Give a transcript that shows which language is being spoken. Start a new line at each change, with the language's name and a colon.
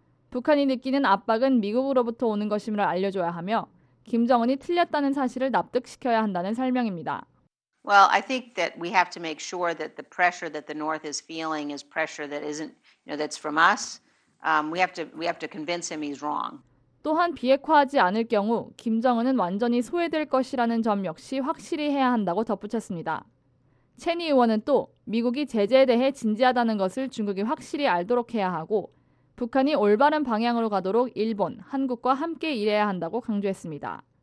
Korean: 북한이 느끼는 압박은 미국으로부터 오는 것임을 알려줘야 하며 김정은이 틀렸다는 사실을 납득시켜야 한다는 설명입니다.
English: Well, I think that we have to make sure that the pressure that the North is feeling is pressure that isn't, you know, that's from us. We have to convince him he's wrong.
Korean: 또한 비핵화하지 않을 경우 김정은은 완전히 소외될 것이라는 점 역시 확실히 해야 한다고 덧붙였습니다. 체니 의원은 또 미국이 제재에 대해 진지하다는 것을 중국이 확실히 알도록 해야 하고 북한이 올바른 방향으로 가도록 일본, 한국과 함께 일해야 한다고 강조했습니다.